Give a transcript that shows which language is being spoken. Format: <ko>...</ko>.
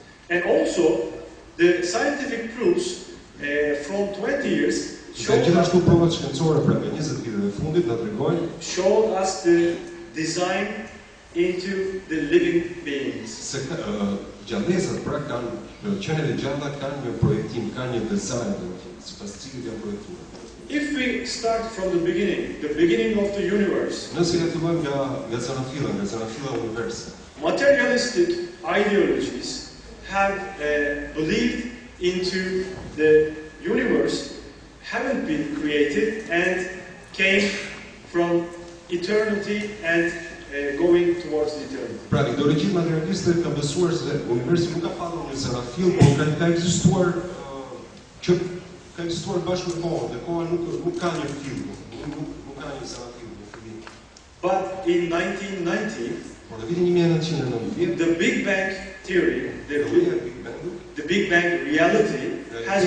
<en>And also, the scientific proofs from 20 years showed us the design into the living beings.</en> <sq>Gjallëzat pra kanë qenë gjallëta kanë një projektim, kanë një dizajn sipas cilit janë projektuar.</sq> <en>If we start from the beginning of the universe.</en> <sq>Nëse ne fillojmë nga zanafilla, nga zanafilla e universit.</sq> <en>Materialistic ideologies have believed into the universe haven't been created and came from eternity and going towards the eternity.</en> <sq>Pra, ideologjitë materialiste kanë besuar se universi nuk ka pasur një zanafill, por ka ekzistuar që ka ekzistuar bashkë me kohën, dhe koha nuk ka një fill, nuk ka një zanafill.</sq> <en>But in 1990,</en> <sq>por në vitin 1990,</sq> <en>the Big Bang theory, the Big Bang reality has</en>